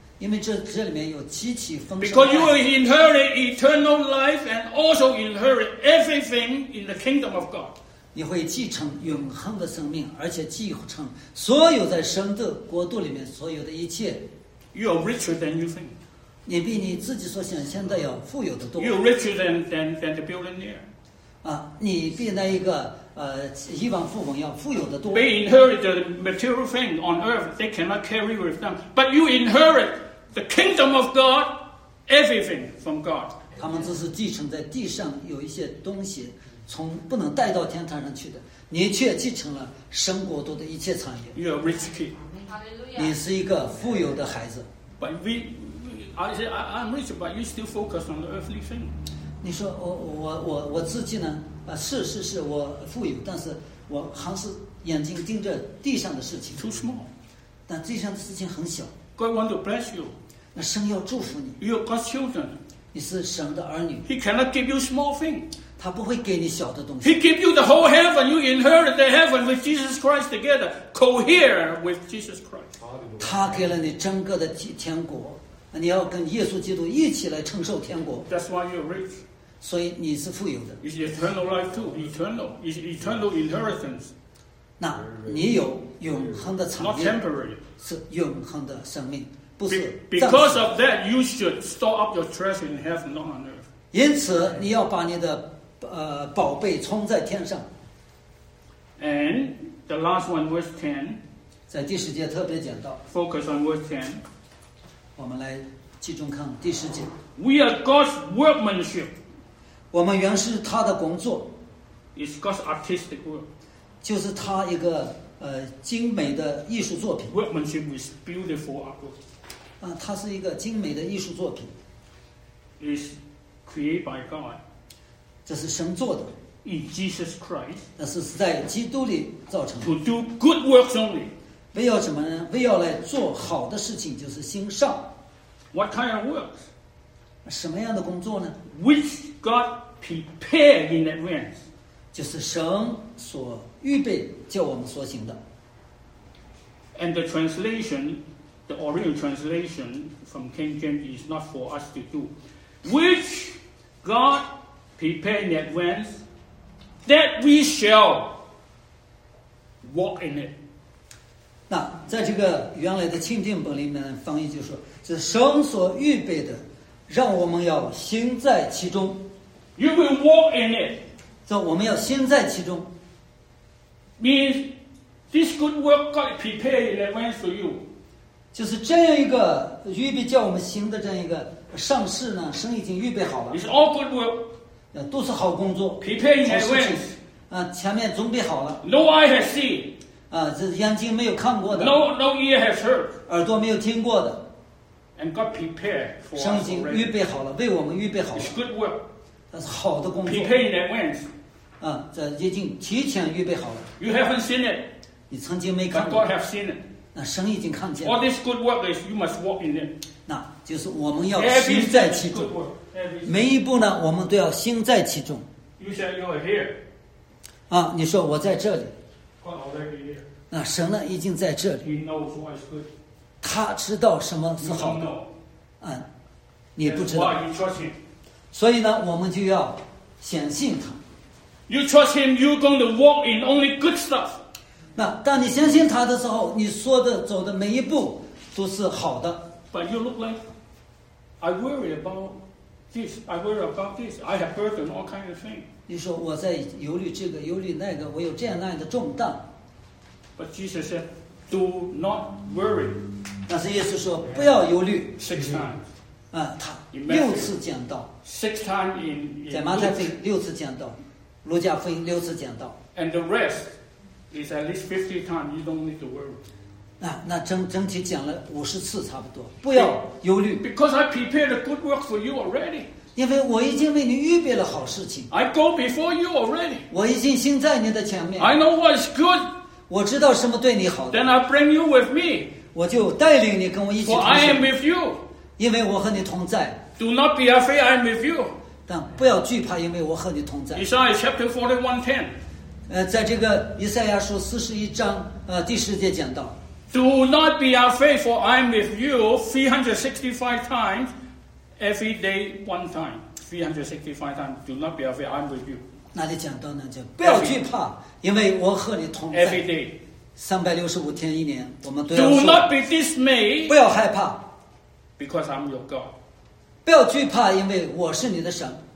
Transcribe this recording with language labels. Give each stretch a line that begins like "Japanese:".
Chinese: 因为 这里面有极其丰盛。
English: Because you will inherit eternal life and also inherit everything in the kingdom of God.
Chinese: 你会继承永恒的生命，而且继承所有在神的国度里面所有的一切。
English: You are richer than you think.
Chinese: 你比你自己所想象的要富有的多。
English: You are richer than the billionaire.
Chinese: 啊，你比那一个。亿万富翁要富有的多。
English: They inherit the material thing on earth; they cannot carry with them. But you inherit the kingdom of God, everything from God.
Chinese: 他们只是继承在地上有一些东西，从不能带到天堂上去的。你却继承了神国度的一切产业。
English: You are rich kid.
Chinese: 你是一个富有的孩子。
English: But I'm rich, but you still focus on the earthly thing.
Chinese: 你说我自己呢？是我富有，但是我还是眼睛盯着地上的事情。
English: Too small.
Chinese: 但地上的事情很小。
English: God want to bless you.
Chinese: 那神要祝福你。
English: You are God's children.
Chinese: 你是神的儿女。
English: He cannot give you small thing.
Chinese: 他不会给你小的东西。
English: He give you the whole heaven. You inherit the heaven with Jesus Christ together, cohere with Jesus Christ.
Chinese: 他给了你整个的天国，你要跟耶稣基督一起来承受天国。
English: That's why you're rich.
Chinese: 所以你是富有的。
English: It's eternal life too. Eternal. It's eternal inheritance.
Chinese: 那你有永恒的产业。
English: Not temporary.
Chinese: 是永恒的生命，不是。
English: Because of that, you should store up your treasure in heaven, not on earth.
Chinese: 因此，你要把你的宝贝存在天上。
English: And the last one, verse 10.
Chinese: 在第十节特别讲到。
English: Focus on verse 10.
Chinese: 我们来集中看第十节。
English: We are God's workmanship.
Chinese: 我们原是他的工作
English: ，It's God's artistic work，
Chinese: 就是他一个精美的艺术作品。
English: Workmanship is beautiful artwork，
Chinese: 啊，它是一个精美的艺术作品。
English: Is created by God，
Chinese: 这是神做的。
English: In Jesus Christ，
Chinese: 那是在基督里造成的。
English: To do good works only，
Chinese: 为要什么呢？为要来做好的事情，就是行善。
English: What kind of works？
Chinese: 什么样的工作呢
English: ？Which God prepared in advance，
Chinese: 就是神所预备叫我们所行的。
English: And the translation, the original translation from King James is not for us to do. Which God prepared in advance that we shall walk in it。
Chinese: 那在这个原来的钦定本里面翻译就说，是神所预备的。让我们要行在其中。
English: You will walk in it.
Chinese: 这我们要行在其中。
English: Means this good work God prepared in advance for you.
Chinese: 就是这样一个预备叫我们行的这样一个上市呢，神已经预备好了。
English: It's all good work.
Chinese: 都是好工作。
English: Prepared in advance.
Chinese: 前面准备好了。
English: No eye has seen.
Chinese: 这眼睛没有看过的。
English: No ear has heard.
Chinese: 耳朵没有听过的。
English: And God prepared for us.
Chinese: 神已经预备好了，为我们预备好了。
English: It's good work.
Chinese: 它是好的工作。
English: Prepared in advance.
Chinese: 这已经提前预备好了。
English: You haven't seen it.
Chinese: 你曾经没看过。
English: But God has seen it.
Chinese: 那神已经看见。
English: All this good work is you must walk in it.
Chinese: 那就是我们要行在其中。每一步呢，我们都要行在其中。
English: You said you are here.
Chinese: 你说我在这里。
English: God already here.
Chinese: 那神呢，已经在这里。
English: He knows what is good.
Chinese: 他知道什么是好的，你不知道，所以呢，我们就要相信他。
English: You trust him, you're going to walk in only good stuff.
Chinese: 那当你相信他的时候，你说的走的每一步都是好的。
English: But you look like, I worry about this, I worry about this, I have burden, all kinds of things.
Chinese: 你说我在忧虑这个，忧虑那个，我有这样那样的重担。
English: But Jesus said, do not worry.
Chinese: 但是耶稣说不要忧虑。
English: Six times.
Chinese: 他六次讲道。
English: Six times in Luke.
Chinese: 在马太福音六次讲道，路加福音六次讲道。
English: And the rest is at least 50 times, you don't need to worry.
Chinese: 那 整体讲了五十次差不多，不要忧虑。
English: Because I prepared a good work for you already.
Chinese: 因为我已经为你预备了好事情。
English: I go before you already.
Chinese: 我已经行在你的前面。
English: I know what's good.
Chinese: 我知道什么对你好的。
English: Then I bring you with me.
Chinese: 我就带领你跟我一起同行。
English: For I am with you.
Chinese: 因为我和你同在。
English: Do not be afraid, I am with you.
Chinese: 但不要惧怕，因为我和你同在。
English: Isaiah chapter 41:10.
Chinese: 在这个以赛亚书四十一章第十节讲到。
English: Do not be afraid, for I am with you 365 times. Every day, one time, 365 times, do not be afraid, I'm with you.
Chinese: 那里讲到呢，就不要惧怕，因为我和你同在。
English: Every day.
Chinese: 365天一年，我们都要说。
English: Do not be dismayed.
Chinese: 不要害怕。
English: Because I'm your God.
Chinese: 不要惧怕，因为我是你的神。